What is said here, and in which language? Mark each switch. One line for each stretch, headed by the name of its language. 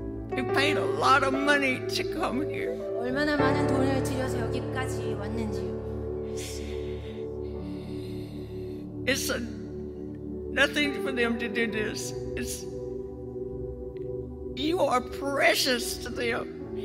English: They paid a lot of money to come here.
Korean: 얼마나 많은 돈을 들여서 여기까지 왔는지요.
English: It's a nothing for them to do this. It's, you are precious to them.